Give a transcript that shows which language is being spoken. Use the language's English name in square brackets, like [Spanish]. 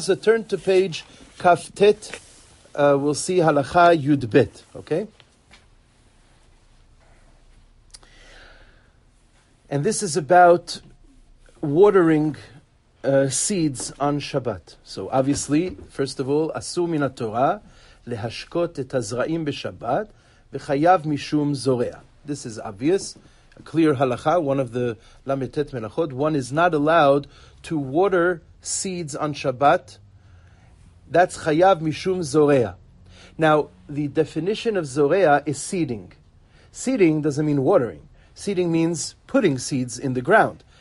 [English] So turn to page kaftet. We'll see halacha yudbet. Okay? And this is about watering seeds on Shabbat. So obviously, first of all, [Hebrew] asu min haTorah להשקות את הזרעים בשבת, וחייב משום זורע. [English] This is obvious, a clear halakha, one of the lametet melachot. One is not allowed to water seeds on Shabbat. That's chayav mishum zorea. Now, the definition of zorea is seeding. Seeding doesn't mean watering. Seeding means putting seeds in the ground.